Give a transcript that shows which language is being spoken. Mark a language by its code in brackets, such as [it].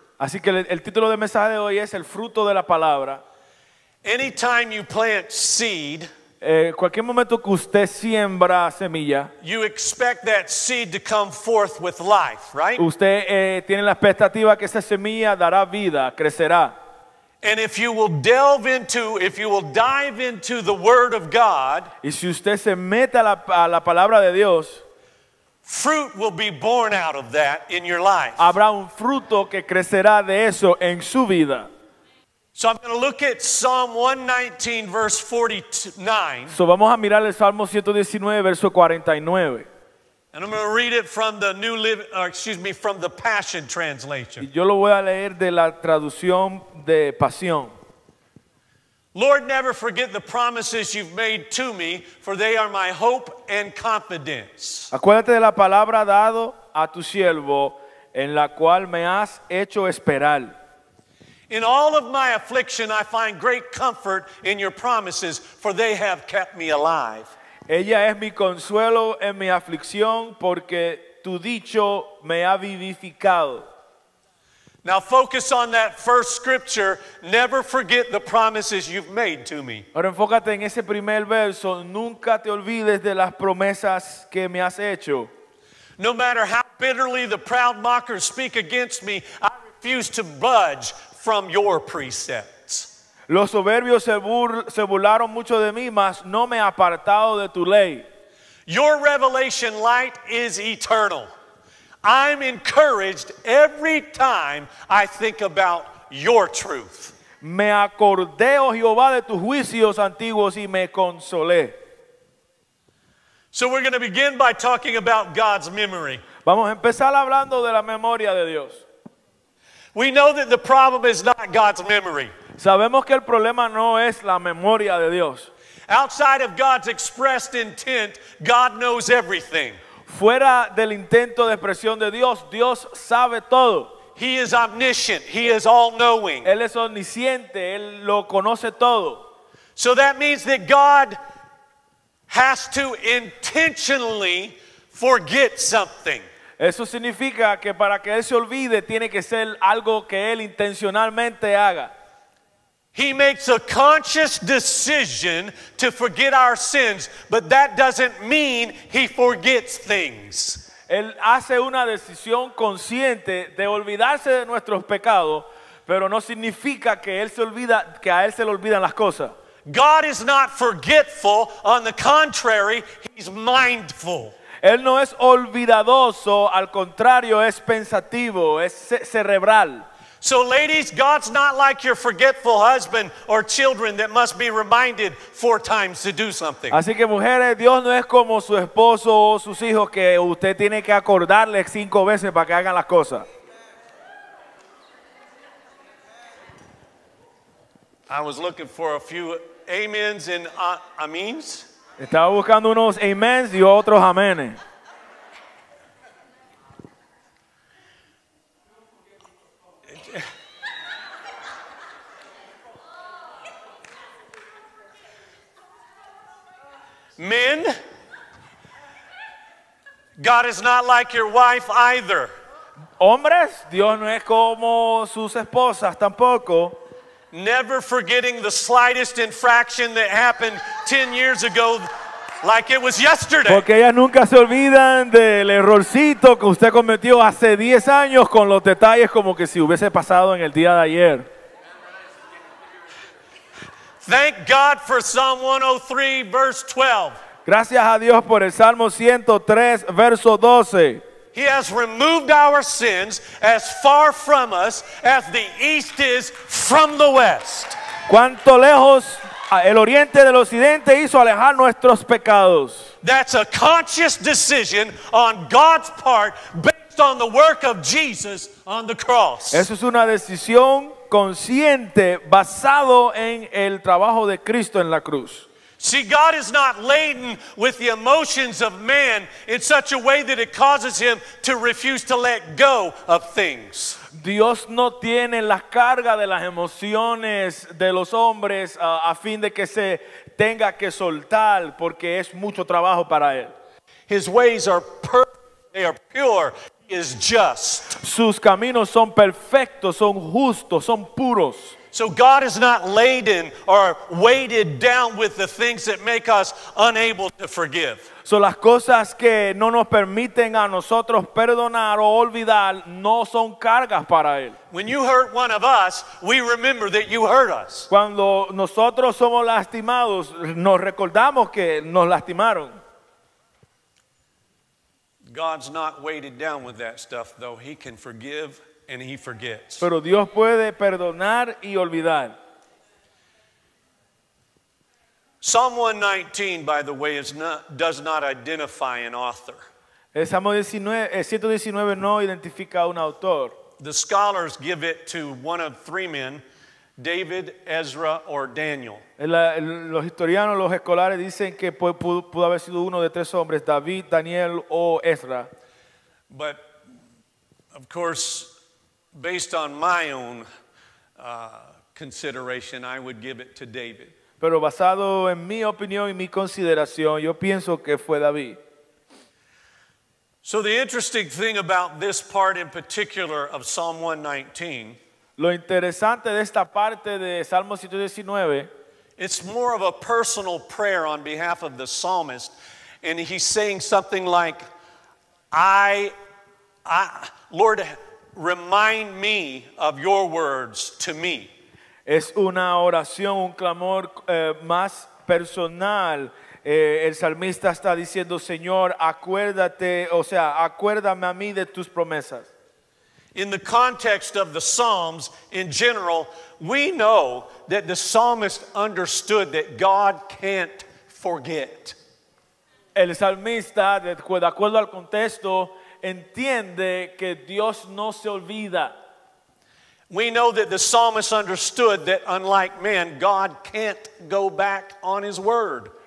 [es] Así que el título del mensaje de hoy es El Fruto de la Palabra. [en] Anytime you plant seed, [es] cualquier momento que usted siembra semilla, [en] you expect that seed to come forth with life, right? [es] Usted tiene la expectativa que esa semilla dará vida, crecerá. [en] And if you will delve into, if you will dive into the Word of God, [es] y si usted se mete a la palabra de Dios, [en] fruit will be born out of that in your life. [es] Habrá un fruto que crecerá de eso en su vida. [en] So I'm going to look at Psalm 119, verse 49. [es] So vamos a mirar el Salmo 119, verso 49. [en] And I'm going to read it from the from the Passion Translation. [es] Yo lo voy a leer de la traducción de Pasión. [en] Lord, never forget the promises you've made to me, for they are my hope and confidence. [es] Acuérdate de la palabra dado a tu siervo, en la cual me has hecho esperar. [en] In all of my affliction, I find great comfort in your promises, for they have kept me alive. [es] Ella es mi consuelo en mi aflicción, porque tu dicho me ha vivificado. [en] Now focus on that first scripture. Never forget the promises you've made to me. [es] Ahora enfócate en ese primer verso. Nunca te olvides de las promesas que me has hecho. [en] No matter how bitterly the proud mockers speak against me, I refuse to budge from your precepts. [es] Los soberbios se burlaron mucho de mí, mas no me he apartado de tu ley. [en] Your revelation light is eternal. I'm encouraged every time I think about your truth. [es] Me acordé, oh Jehová, de tus juicios antiguos y me consolé. [en] So we're going to begin by talking about God's memory. [es] Vamos a empezar hablando de la memoria de Dios. [en] We know that the problem is not God's memory. [es] Sabemos que el problema no es la memoria de Dios. [en] Outside of God's expressed intent, God knows everything. [es] Fuera del intento de expresión de Dios, Dios sabe todo. [en] He is omniscient. He is all-knowing. [es] Él es omnisciente. Él lo conoce todo. [en] So that means that God has to intentionally forget something. [es] Eso significa que para que Él se olvide, tiene que ser algo que Él intencionalmente haga. [en] He makes a conscious decision to forget our sins, but that doesn't mean he forgets things. [es] Él hace una decisión consciente de olvidarse de nuestros pecados, pero no significa que él se olvida, que a él se le olvidan las cosas. [en] God is not forgetful, on the contrary, he's mindful. [es] Él no es olvidadoso, al contrario, es pensativo, es cerebral. [en] So ladies, God's not like your forgetful husband or children that must be reminded four times to do something. [es] Así que mujeres, Dios no es como su esposo o sus hijos que usted tiene que acordarle cinco veces para que hagan las cosas. [en] I was looking for a few amens and amens. [es] Estaba buscando unos amens y otros amenes. [en] Men, God is not like your wife either. [es] Hombres, Dios no es como sus esposas tampoco. [en] Never forgetting the slightest infraction that happened 10 years ago like it was yesterday. [es] Porque ellas nunca se olvidan del errorcito que usted cometió hace 10 años con los detalles como que si hubiese pasado en el día de ayer. [en] Thank God for Psalm 103, verse 12. [es] Gracias a Dios por el Salmo 103, verso 12. [en] He has removed our sins as far from us as the east is from the west. [es] Cuánto lejos el oriente del occidente hizo alejar nuestros pecados. [en] That's a conscious decision on God's part based on the work of Jesus on the cross. [es] Eso es una decisión consciente basado en el trabajo de Cristo en la cruz. [en] See, God is not laden with the emotions of man in such a way that it causes him to refuse to let go of things. [es] Dios no tiene la carga de las emociones de los hombres a fin de que se tenga que soltar porque es mucho trabajo para él. [en] His ways are perfect, they are pure, he is just. [es] Sus caminos son perfectos, son justos, son puros. [en] So God is not laden or weighted down with the things that make us unable to forgive. [es] So las cosas que no nos permiten a nosotros perdonar o olvidar no son cargas para él. [en] When you hurt one of us, we remember that you hurt us. [es] Cuando nosotros somos lastimados, nos recordamos que nos lastimaron. [en] God's not weighted down with that stuff, though. He can forgive and he forgets. [es] Pero Dios puede perdonar y olvidar. [en] Psalm 119, by the way, does not identify an author. [es] El Salmo 119 no identifica un autor. [en] The scholars give it to one of three men, David, Ezra, or Daniel. [es] Los historianos, los escolares dicen que pudo haber sido uno de tres hombres, David, Daniel, o Ezra. [en] But, of course, based on my own consideration, I would give it to David. [es] Pero basado en mi opinión y mi consideración, yo pienso que fue David. [en] So the interesting thing about this part in particular of Psalm 119, [es] lo interesante de esta parte de Salmo 119, [en] it's more of a personal prayer on behalf of the psalmist, and he's saying something like, I Lord, remind me of your words to me. [es] Es una oración, un clamor más personal. El salmista está diciendo, Señor, acuérdate, o sea, acuérdame a mí de tus promesas. [en] In the context of the Psalms in general, we know that the psalmist understood that God can't forget. [es] El salmista, de acuerdo al contexto, entiende que Dios no se olvida. [en] We know that the psalmist understood that unlike man, God can't go back on his word.